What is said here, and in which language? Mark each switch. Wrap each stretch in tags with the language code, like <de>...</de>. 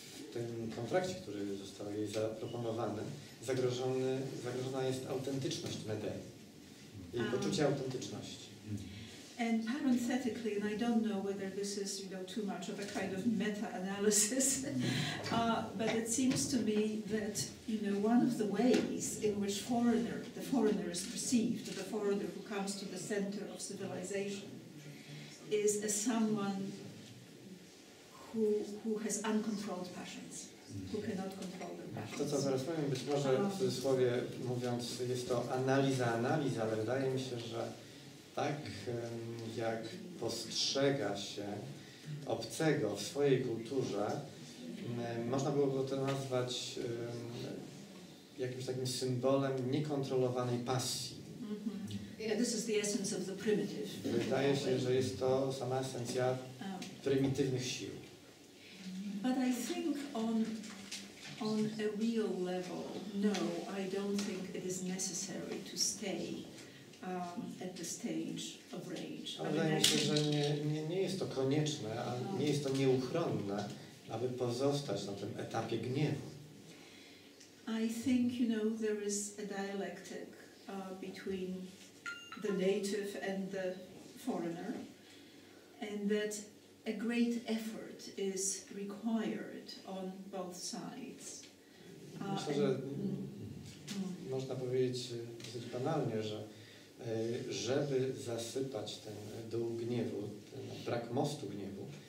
<pl>W tym kontrakcie, który został jej zaproponowany, zagrożona jest autentyczność Medei, jej poczucie autentyczności.</pl> <en>And parenthetically, and I don't know whether this is, you know, too much of a kind of meta-analysis, but it seems to me that, you know, one of the ways in which the foreigner is perceived, the foreigner who comes to the center of civilization, is as someone who has uncontrolled passions, who cannot control their passions.</en> <pl>To, co zaraz powiem, być może w cudzysłowie mówiąc, jest to analiza, ale wydaje mi się, że tak jak postrzega się obcego w swojej kulturze, można byłoby to nazwać jakimś takim symbolem niekontrolowanej pasji.</pl> <en>This is the essence of the primitive.</en> <pl>Wydaje się, że jest to sama esencja prymitywnych sił.</pl> <en>But I think on a real level, no, I don't think it is necessary to stay at the stage of rage.</en> <pl>Wydaje mi się, że nie jest to konieczne, a nie jest to nieuchronne, aby pozostać na tym etapie gniewu.</pl> <en>I think, you know, there is a dialectic between the native and the foreigner, and that a great effort is required on both sides.</en> <pl>Myślę, że można powiedzieć dosyć banalnie, że żeby zasypać ten dół gniewu, ten brak mostu gniewu,</pl>